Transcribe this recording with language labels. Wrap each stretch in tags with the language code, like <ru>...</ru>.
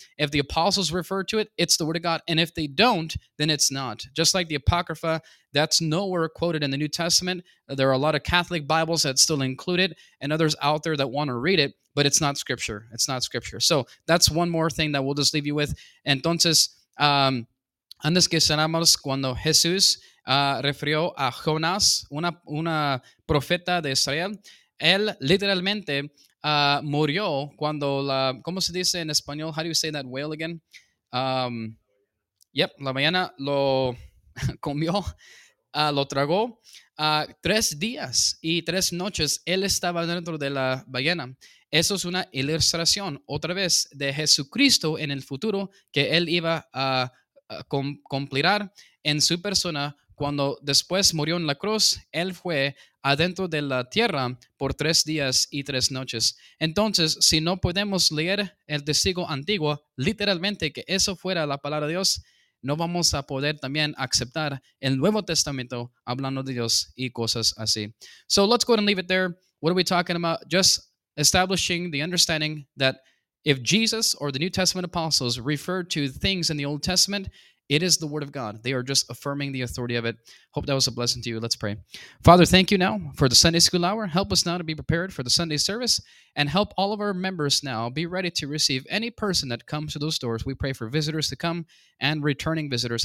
<en>If the apostles refer to it, it's the Word of God. And if they don't, then it's not. Just like the Apocrypha, that's nowhere quoted in the New Testament. There are a lot of Catholic Bibles that still include it and others out there that want to read it, but it's not Scripture. It's not Scripture. So that's one more thing that we'll just leave you with.</en> <es>Entonces, antes que cerramos, cuando Jesús refirió a Jonás, una profeta de Israel, él literalmente murió cuando la, ¿cómo se dice en español?</es> <en>How do you say that whale again?</en> <es>La ballena lo comió, lo tragó 3 días y 3 noches. Él estaba dentro de la ballena. Eso es una ilustración, otra vez, de Jesucristo en el futuro que él iba a cumplir en su persona cuando después murió en la cruz. Él fue adentro de la tierra por 3 días y 3 noches. Entonces, si no podemos leer el testigo antiguo, literalmente que eso fuera la palabra de Dios, no vamos a poder también aceptar el Nuevo Testamento hablando de Dios y cosas así.</es> <en>So let's go ahead and leave it there. What are we talking about? Just establishing the understanding that if Jesus or the New Testament apostles refer to things in the Old Testament, it is the Word of God. They are just affirming the authority of it. Hope that was a blessing to you. Let's pray. Father, thank you now for the Sunday School Hour. Help us now to be prepared for the Sunday service, and help all of our members now be ready to receive any person that comes to those doors. We pray for visitors to come and returning visitors.</en>